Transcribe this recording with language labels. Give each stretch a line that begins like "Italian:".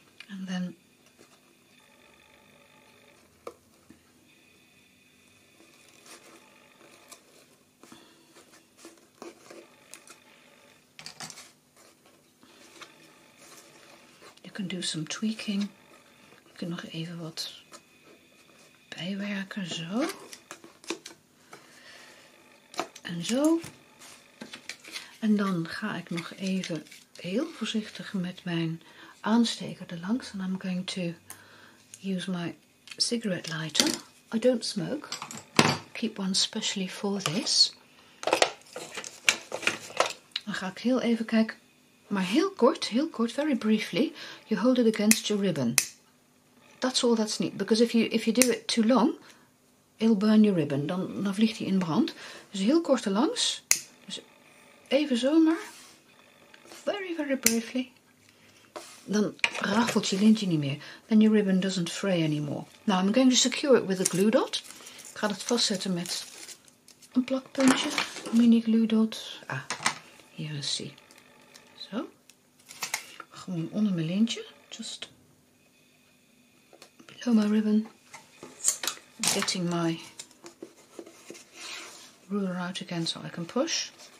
English: And then you can do some tweaking.
Dutch: Nog even wat bijwerken, zo. En zo. En dan ga ik nog even heel voorzichtig met mijn aansteker erlangs.
English: And I'm going to use my cigarette lighter. I don't smoke. Keep one specially for this.
Dutch: Dan ga ik heel even kijken, maar heel kort,
English: very briefly. You hold it against your ribbon. That's all that's neat. Because if you do it too long, it'll burn your ribbon.
Dutch: Dan vliegt hij in brand. Dus heel kort erlangs. Dus even zomaar.
English: Very, very briefly.
Dutch: Dan raffelt je lintje niet meer.
English: Then your ribbon doesn't fray anymore. Now I'm going to secure it with a glue dot.
Dutch: Ik ga het vastzetten met een plakpuntje. Mini glue dot. Ah, hier is hij. Zo. Gewoon onder mijn lintje.
English: Just oh, my ribbon. Getting my ruler out again so I can push.